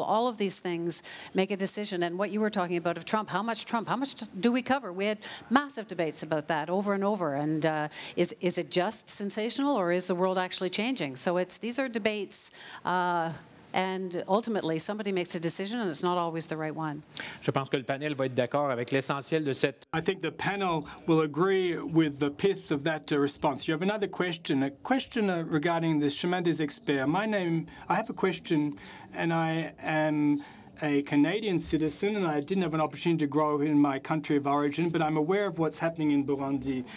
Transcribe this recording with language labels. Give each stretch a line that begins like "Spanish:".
English: All of these things make a decision. And what you were talking about of Trump, how much do we cover? We had massive debates about that over and over. And is it just sensational, or is the world actually changing? So these are debates and ultimately somebody makes a decision and it's not always the right one.
French: Je pense que le panel va être d'accord avec l'essentiel de cette.
English: I think the panel will agree with the pith of that response. You have another question, a question regarding the Chemin des Experts. My name, I have a question, and I am a Canadian citizen, and I didn't have an opportunity to grow in my country of origin, but I'm aware of what's happening in Burundi.